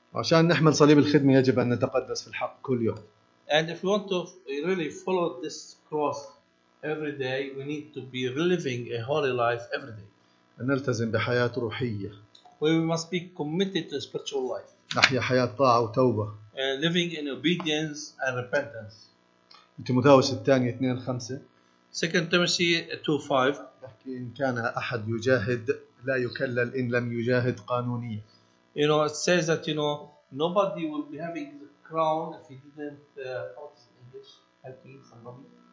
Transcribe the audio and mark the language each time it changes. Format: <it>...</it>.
<ar>عشان نحمل صليب الخدمة يجب أن نتقدس في الحق كل يوم.</ar> <en>And if we want to really follow this cross every day, we need to be living a holy life every day.</en> <ar>أن نلتزم بحياة روحية.</ar> <en>We must be committed to spiritual life.</en> <ar>نحيا حياة طاعة وتوبة.</ar> <en>Living in obedience and repentance.</en> <ar>تيموثاوس الثاني 2:5.</ar> <en>2 Timothy 2:5.</en> <ar>يحكي إن كان أحد يجاهد لا يكلل إن لم يجاهد قانونيا.</ar> <en>You know, it says that, you know, nobody will be having the crown if he didn't, what's in English, help me, somebody.</en>